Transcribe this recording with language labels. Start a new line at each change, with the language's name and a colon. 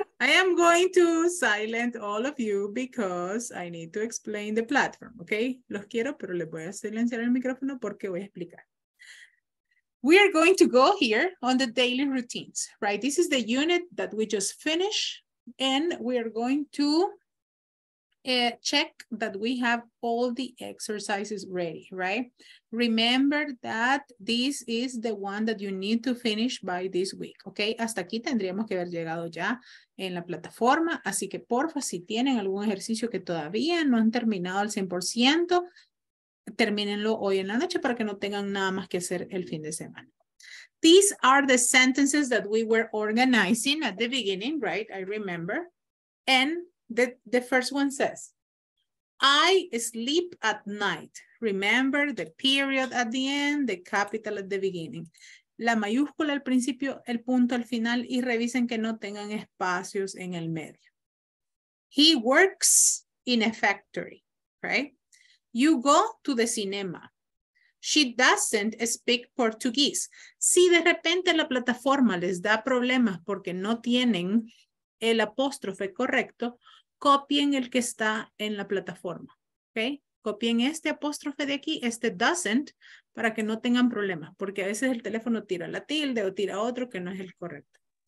English: I am going to silence all of you because I need to explain the platform, okay?
Spanish: Los quiero, pero les voy a silenciar el micrófono porque voy a explicar.
English: We are going to go here on the daily routines, right? This is the unit that we just finished, and we are going to check that we have all the exercises ready, right? Remember that this is the one that you need to finish by this week, okay?
Spanish: Hasta aquí tendríamos que haber llegado ya en la plataforma, así que porfa, si tienen algún ejercicio que todavía no han terminado al 100%, termínenlo hoy en la noche para que no tengan nada más que hacer el fin de semana.
English: These are the sentences that we were organizing at the beginning, right? I remember. And the first one says, I sleep at night. Remember the period at the end, the capital at the beginning.
Spanish: La mayúscula al principio, el punto al final, y revisen que no tengan espacios en el medio.
English: He works in a factory, right? You go to the cinema. She doesn't speak Portuguese.
Spanish: Si de repente la plataforma les da problemas porque no tienen el apóstrofe correcto, copien el que está en la plataforma. ¿Okay? Copien este apóstrofe de aquí, este doesn't, para que no tengan problemas, porque a veces el teléfono tira la tilde o tira otro que no es el correcto.